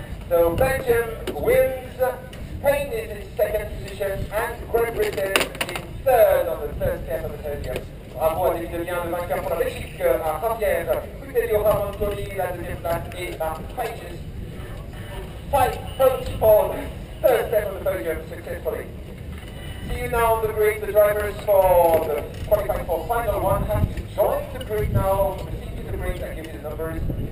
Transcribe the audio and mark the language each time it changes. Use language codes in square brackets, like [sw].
[en] So Belgium wins, Spain is in second position, and Great Britain in third on the third step of the podium. [fr] Bravo à David Daniel, le vainqueur pour la Belgique, à Javier, Puertelio, Ramon Tori, la deuxième place, et Mark Pages. [en] 5 points for the third step of the podium successfully. See you now on the grid, the drivers for the qualifying for final one have to join the grid now, proceed to the grid and give you the numbers.